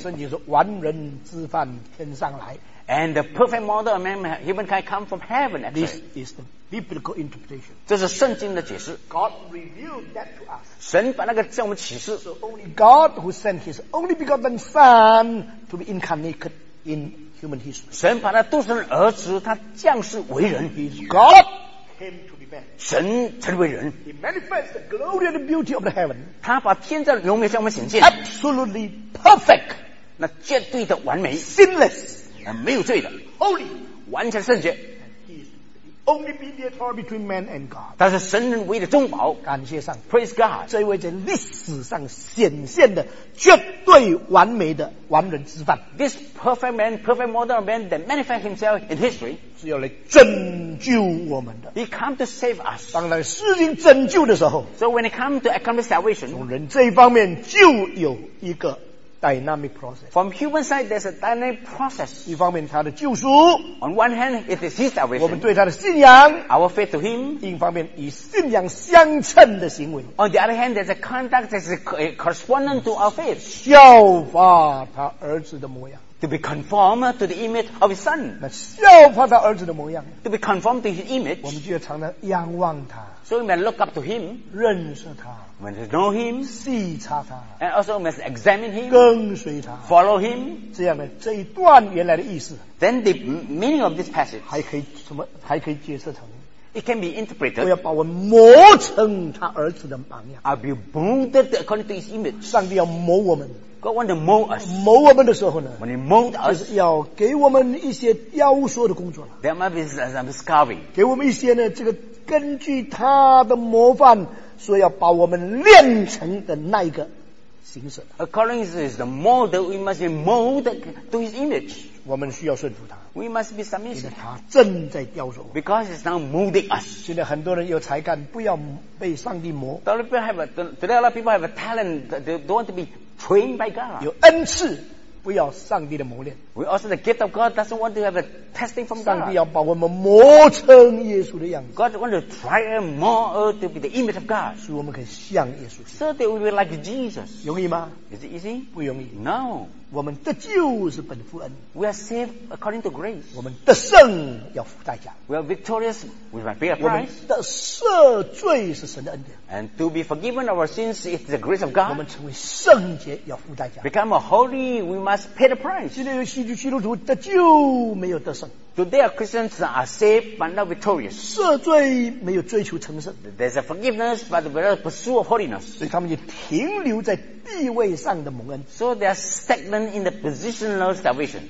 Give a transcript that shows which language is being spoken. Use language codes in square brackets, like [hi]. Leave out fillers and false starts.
[zh] 圣经说完人之范天上来 [en] And the perfect model of man, humankind come from heaven. This is the biblical interpretation. [zh] 这是圣经的解释 [en] God revealed that to us. [zh] 神把那个向我们启示 [en] So only God who sent his only begotten son to be incarnated in human history. [zh] 神把那独生儿子他降世为人 [en] He is God. [zh] 神成为人 [en] He manifests the glory and the beauty of the heaven [zh] 他把天上的荣美向我们显现 [en] Absolutely perfect [zh] 那绝对的完美 [en] Sinless [zh] 没有罪的 [en] Holy [zh] 完全圣洁 [en] He is the only mediator between man and God [zh] 他是神人唯一的中保感谢上 [en] Praise God [zh] 这位在历史上显现的绝对完美的完人之范 [en] This perfect man perfect model of man that manifests himself in history [zh] 是要来证救我们的 [en] He come to save us [zh] 当那个事情拯救的时候 [en] So when it come to accomplish salvation [zh] 从人这一方面就有一个 [en] dynamic process From human side there's a dynamic process [zh] 一方面他的救赎 [en] On one hand it is his salvation [zh] 我们对他的信仰 [en] Our faith to him [zh] 另一方面以信仰相称的行为 [en] On the other hand there's a conduct that is correspondent to our faith [zh] 效法他儿子的模样 [en] to be conformed to the image of his son. [zh] 那效法他儿子的模样。 [en] To be conformed to his image. [zh] 我们就要常常仰望他。 [en] So we must look up to him. [zh] 认识他。 [en] We must know him. [zh] 细察他。 [en] And also we must examine him. [zh] 跟随他。 [en] Follow him. [zh] 这样的这一段原来的意思。 [en] Then the meaning of this passage. [zh] 还可以什么？还可以解释成。 [en] It can be interpreted. [zh] 我要把我磨成他儿子的榜样。 [en] I'll be molded according to his image. [zh] 上帝要磨我们。 [en] God wants to mold us. [zh] 磨我们的时候呢 [en] ？When he mold us, [zh] 就是要给我们一些雕塑的工作了。 [en] There might be some carving. [zh] 给我们一些呢，这个根据他的模范，所以要把我们练成的那一个形式。 [en] According to the mold, we must be molded to his image. [zh] 我们需要顺服他。 [en] We must be submissive. [zh] 因为他正在雕塑。 [en] Because he's now molding us. [zh] 现在很多人有才干，不要被上帝磨。 [en] Today a lot of people have a talent that they don't want to be. Trained by God. [zh] 有恩赐，不要上帝的磨练。 [en] We also the gift of God doesn't want to have a testing from God. [zh] 上帝要把我们磨成耶稣的样子。 [en] God wants to try and mold us to be the image of God. [zh] 使我们可以像耶稣。 [en] So that we will be like Jesus. [zh] 容易吗 [en] ？Is it easy? [zh] 不容易。 [en] No. [zh] 我们得救是本乎恩。 [en] We are saved according to grace. [zh] 我们得胜要付代价。 [en] We are victorious. We must pay a price. [zh] 我们得赦罪是神的恩典。 [en] And to be forgiven our sins is the grace of God. [zh] 我们成为圣洁要付代价。 [en] Become a holy. We must pay the price. [zh] 现在有许多基督徒得救没有得胜。 [en] Today our Christians are saved but not victorious. [zh] 赦罪没有追求成圣。 [en] There's a forgiveness but without pursuit of holiness. [zh] 所以他们就停留在地位上的蒙恩。 [en] So they are stagnant in the positional salvation.